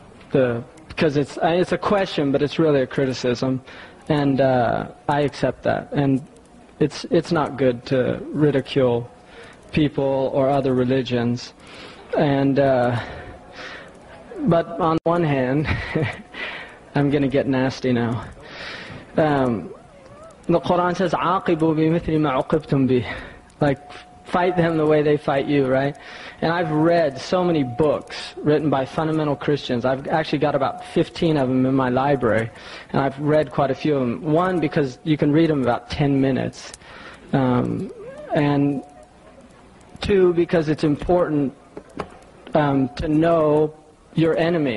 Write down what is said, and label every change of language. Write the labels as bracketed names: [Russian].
[English] Because it's a question, but it's really a criticism, and I accept that. And it's not good to ridicule people or other religions. And but on one hand, I'm going to get nasty now. The Quran says, [Arabic] "عاقبوا بمثلي ما عقبتم به." [English] Like, fight them the way they fight you, right? And I've read so many books written by fundamental Christians. I've actually got about 15 of them in my library, and I've read quite a few of them. One, because you can read them in about 10 minutes. And two, because it's important to know your enemy.